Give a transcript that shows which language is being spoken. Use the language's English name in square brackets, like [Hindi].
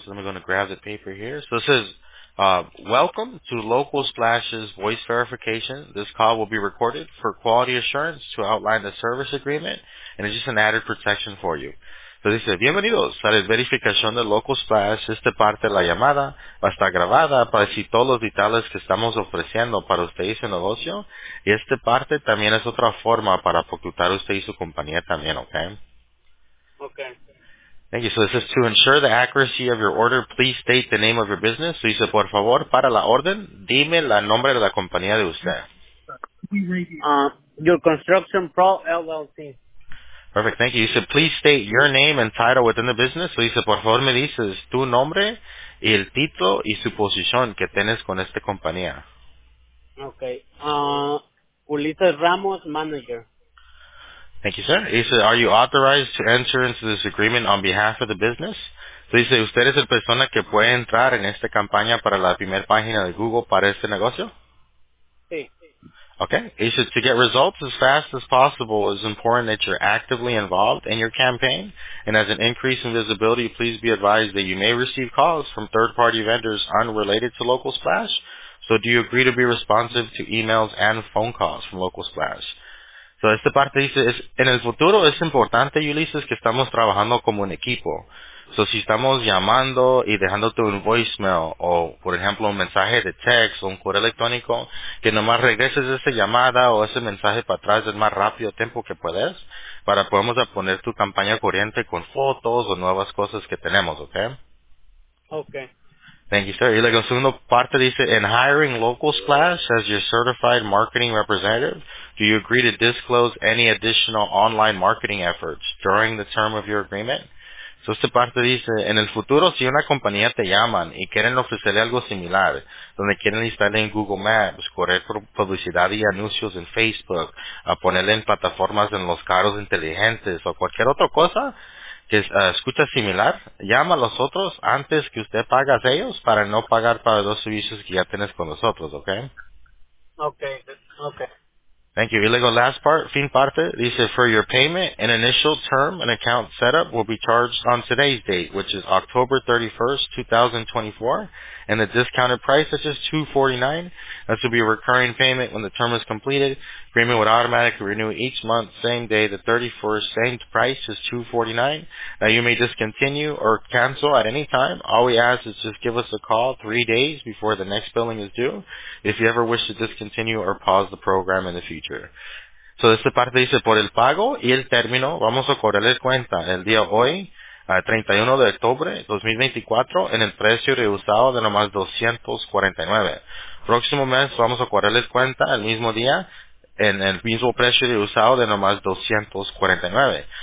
[English] So I'm going to grab the paper here. So this is, welcome to Local Splash's voice verification. This call will be recorded for quality assurance to outline the service agreement, and it's just an added protection for you. [Spanish] So dice, bienvenidos a la verificación de Local Splash. Esta parte de la llamada va a estar grabada para decir todos los detalles que estamos ofreciendo para usted y su negocio. Y esta parte también es otra forma para apoyar usted y su compañía también, ¿ok? [English] Ok. Thank you. So this is to ensure the accuracy of your order, please state the name of your business. [Spanish] So dice, por favor, para la orden, dime el nombre de la compañía de usted. [English] Your Construction Pro LLC. Perfect, thank you. You said, please state your name and title within the business. So you said, [Spanish] por favor, me dices tu nombre y el título y su posición que tienes con esta compañía. [English] Okay. Ulises Ramos, manager. Thank you, sir. You said, are you authorized to enter into this agreement on behalf of the business? [Spanish] So you said, ¿usted es la persona que puede entrar en esta campaña para la primera página de Google para este negocio? Sí. [English] Okay, you should, to get results as fast as possible, it's important that you're actively involved in your campaign. And as an increase in visibility, please be advised that you may receive calls from third-party vendors unrelated to Local Splash. So do you agree to be responsive to emails and phone calls from Local Splash? [Spanish] So esta parte dice, es, en el futuro es importante, Ulises, que estamos trabajando como un equipo. So si estamos llamando y dejándote un voicemail o, por ejemplo, un mensaje de texto o un correo electrónico, que nomás regreses esa llamada o ese mensaje para atrás el más rápido tiempo que puedes, para podamos poner tu campaña corriente con fotos o nuevas cosas que tenemos, ¿ok? [English] Okay. Thank you, sir. [Spanish] Y la segunda parte dice, [English] in hiring Local Splash as your certified marketing representative, do you agree to disclose any additional online marketing efforts during the term of your agreement? [Spanish] So esta parte dice, en el futuro, si una compañía te llaman y quieren ofrecerle algo similar, donde quieren estar en Google Maps, correr publicidad y anuncios en Facebook, a ponerle en plataformas en los carros inteligentes o cualquier otra cosa que escucha similar, llama a los otros antes que usted pague a ellos para no pagar para los servicios que ya tienes con nosotros, ¿ok? [English] Okay. Thank you. [Spanish] Y luego, [English] last part, [Spanish] fin parte, dice, [English] for your payment, an initial term and account setup will be charged on today's date, which is October 31st, 2024, and the discounted price is just $249. This will be a recurring payment when the term is completed. Agreement would automatically renew each month, same day, the 31st, same price is $249. Now, you may discontinue or cancel at any time. All we ask is just give us a call 3 days before the next billing is due if you ever wish to discontinue or pause the program in the future. [Spanish] So, esta parte dice, por el pago y el término, vamos a cobrarle cuenta el día hoy, a 31 de octubre de 2024, en el precio rehusado de nomás $249. Próximo mes, vamos a cobrarle cuenta el mismo día, en el mismo precio rehusado de nomás $249.